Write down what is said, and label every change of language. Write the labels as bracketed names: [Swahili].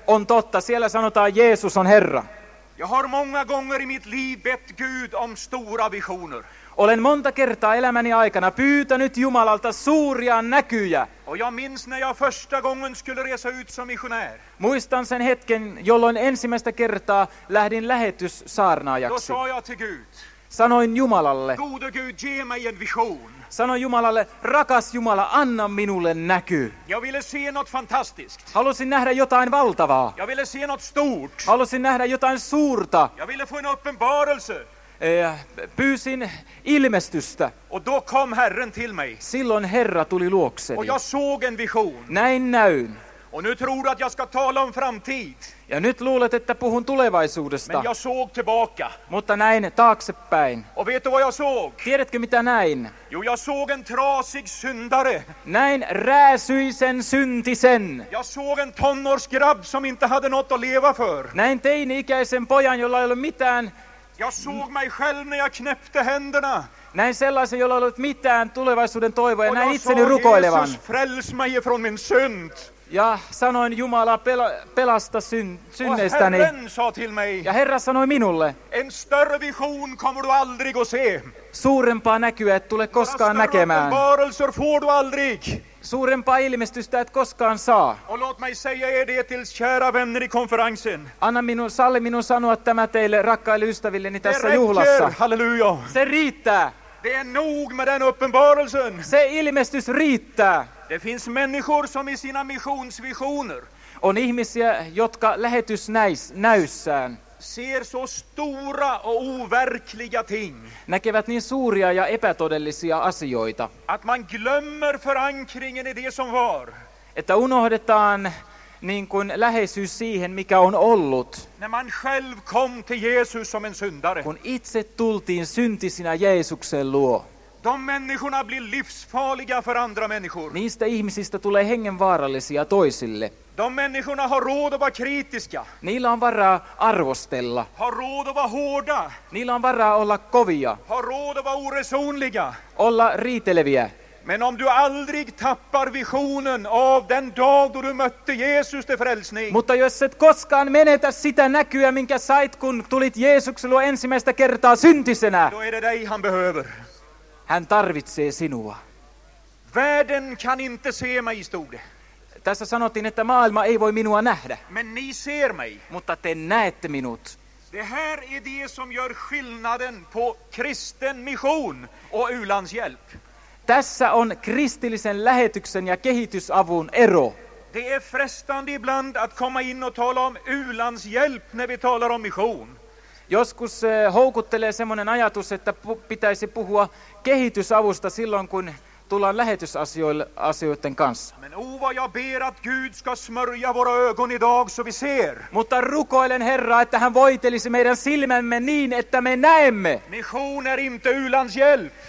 [Finnish] On totta, siellä sanotaan Jeesus on Herra. [Swedish] Jag har många gånger i mitt liv bett Gud om stora visioner. [Finnish] Olen monta kertaa elämäni aikana pyytänyt Jumalalta suuria näkyjä. [Swedish] Och jag minns när jag första gången skulle resa ut som missionär. [Finnish] Muistan sen hetken, jolloin ensimmäistä kertaa lähdin lähetyssaarnaajaksi. [Swedish] Då sa jag till Gud. [Finnish] Sanoin Jumalalle. [Swedish] Gode Gud, ge mig en vision. [Finnish] Sanoin Jumalalle, rakas Jumala, anna minulle näky. [Swedish] Jag ville se något fantastiskt. [Finnish] Halusin nähdä jotain valtavaa. [Swedish] Jag ville se något stort. [Finnish] Halusin nähdä jotain suurta. [Swedish] Jag ville få en uppenbarelse. [Finnish] Pyysin ilmestystä. [Swedish] Och då kom Herren till mig. [Finnish] Silloin Herra tuli luokseni. [Swedish] Och jag såg en vision. [Finnish] Näin näyn. [Swedish] Och nu tror du att jag ska tala om framtid. [Finnish] Ja nyt luulet, että puhun tulevaisuudesta. [Swedish] Men jag såg tillbaka. [Finnish] Mutta näin taaksepäin. [Swedish] Och vet du vad jag såg? [Finnish] Tiedätkö mitä näin? [Swedish] Jo, jag såg en trasig syndare. [Finnish] Näin rääsyisen syntisen. [Swedish] Jag såg en tonårsgrabb som inte hade något att leva för. [Finnish] Näin teini-ikäisen pojan, jolla ei ollut mitään. [Swedish] Jag såg mig själv när jag knäppte händerna. [Finnish] Näin sellaisen, jolla ei ollut mitään tulevaisuuden toivoa, ja näin itseni rukoilevan. [Swedish] Jesus, fräls mig från min synd. [Finnish] Ja sanoin Jumala pelasta synneistäni. [Swedish] Herren sa till mig. [Finnish] Ja Herra sanoi minulle. [Swedish] En större vision kommer du aldrig att se. [Finnish] Suurempaa näkyä et tule koskaan näkemään. [Swedish] Uppenbarelser får du aldrig. [Finnish] Suurempaa ilmestystä et koskaan saa. [Swedish] Och låt mig säga er det till kära vänner i konferensen. [Finnish] Anna minun, salli minun sanoa tämä teille rakkaille ystävilleni tässä juhlassa. [Swedish] Halleluja. [Finnish] Se riittää. [Swedish] Det är nog med den uppenbarelsen. [Finnish] Se ilmestys riittää. [Swedish] Det finns människor som i sina missionsvisioner. [Finnish] On ihmisiä, jotka lähetysnäyssään. [Swedish] Ser så stora och overkliga ting. [Finnish] Näkevät niin suuria ja epätodellisia asioita. [Swedish] Att man glömmer förankringen i det som var. [Finnish] Että unohdetaan niin kuin läheisyys siihen, mikä on ollut. [Swedish] När man själv kom till Jesus som en syndare. [Finnish] Kun itse tultiin syntisinä Jeesuksen luo. [Swedish] De människorna blir livsfarliga för andra människor. [Finnish] Niistä ihmisistä tulee hengenvaarallisia toisille. [Swedish] De människorna har råd att vara kritiska. [Finnish] Niillä on varaa arvostella. [Swedish] Har råd att vara hårda. [Finnish] Niillä on varaa olla kovia. [Swedish] Har råd att vara oresonliga. [Finnish] Olla riiteleviä. [Swedish] Men om du aldrig tappar visionen av den dag då du mötte Jesus till frälsning. [Finnish] Mutta jos et koskaan menetä sitä näkyä, minkä sait, kun tulit Jeesuksen luo ensimmäistä kertaa syntisenä. [Swedish] Då är det dig han behöver. [Finnish] Hän tarvitsee sinua. [Swedish] Världen kan inte se mig, stod det. [Finnish] Tässä sanottiin, että maailma ei voi minua nähdä. [Swedish] Men ni ser mig. [Finnish] Mutta te näette minut. [Swedish] Det här är det som gör skillnaden på kristen mission och u-landshjälp. [Finnish] Tässä on kristillisen lähetyksen ja kehitysavun ero. [Swedish] Det är frestande ibland att komma in och tala om u-landshjälp när vi talar om mission. [Finnish] Joskus houkuttelee semmoinen ajatus, että pitäisi puhua kehitysavusta silloin, kun tullaan lähetysasioiden kanssa. [Swedish] Men Ova, jag ber att Gud ska smörja våra ögon idag så vi ser. [Finnish] Mutta rukoilen Herra, että hän voitelisi meidän silmämme niin, että me näemme. [Swedish] Mission är inte u-landshjälp.